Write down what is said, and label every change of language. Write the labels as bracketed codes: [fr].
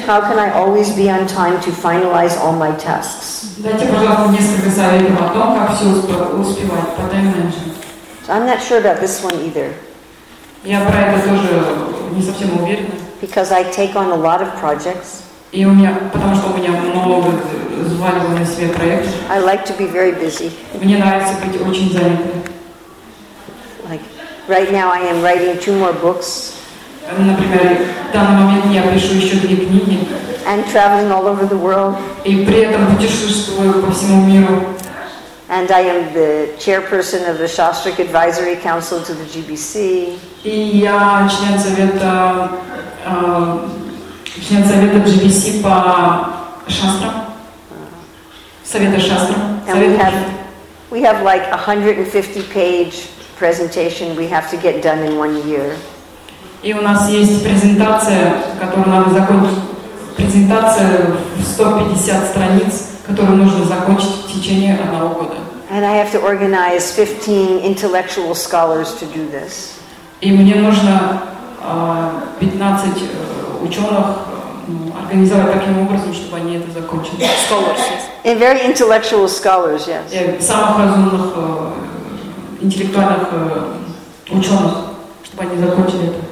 [en] How can I always be on time to finalize all my tasks? [ru] Дайте, пожалуйста, несколько советов о том, как все успевать по тайм-менеджменту. [en] I'm not sure about this one either. [ru] Я про это тоже не совсем уверена. [en] Because I take on a lot of projects. [ru] И у меня, потому что у меня много взваливаю на себе проектов. [en] I like to be very busy. [ru] Мне нравится быть очень занятым. [en] Like right now, I am writing two more books. [ru] Например, в данный момент я пишу еще две книги. [en] And traveling all over the world. [ru] И при этом путешествую по всему миру. [en] And I am the chairperson of the Shastric Advisory Council to the GBC. [ru] И я член совета. Член совета GBC по шастрам. Совета шастрам. [en] And we have like 150 page presentation we have to get done in one year. [ru] И у нас есть презентация, которую надо закончить. Презентация в 150 страниц, которую нужно закончить в течение одного года. [en] And I have to organize 15 intellectual scholars to do this. [ru] И мне нужно 15 ученых организовать таким образом, чтобы они это закончили. [en] Scholars, yes. And very intellectual scholars, yes. [ru] Самых разумных интеллектуальных ученых, чтобы они закончили это.